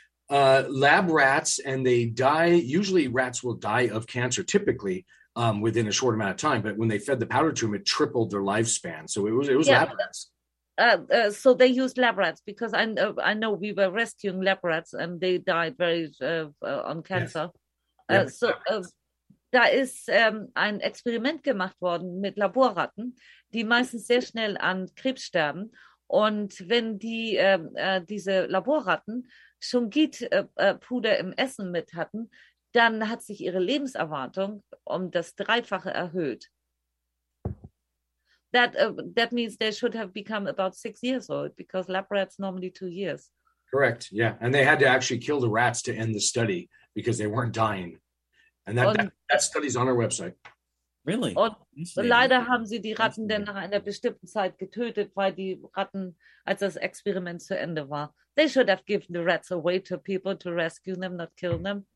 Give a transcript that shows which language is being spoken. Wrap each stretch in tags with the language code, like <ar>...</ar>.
<en>Lab rats, and they die. Usually rats will die of cancer, typically, within a short amount of time. But when they fed the powder to them, it tripled their lifespan. So it was lab rats. So they used lab rats because I know we were rescuing lab rats and they died very on cancer. Yes.</en> <de>Da ist ein Experiment gemacht worden mit Laborratten, die meistens sehr schnell an Krebs sterben. Und wenn die diese Laborratten Shungite-Puder im Essen mit hatten, dann hat sich ihre Lebenserwartung um das Dreifache erhöht.</de> <en>That means they should have become about 6 years old because lab rats normally 2 years. Correct. Yeah, and they had to actually kill the rats to end the study because they weren't dying. And that study's on our website. Really?</en> <de>Und leider haben sie die Ratten dann nach einer bestimmten Zeit getötet, weil die Ratten, als das Experiment zu Ende war,</de> <en>they should have given the rats away to people to rescue them, not kill them.</en>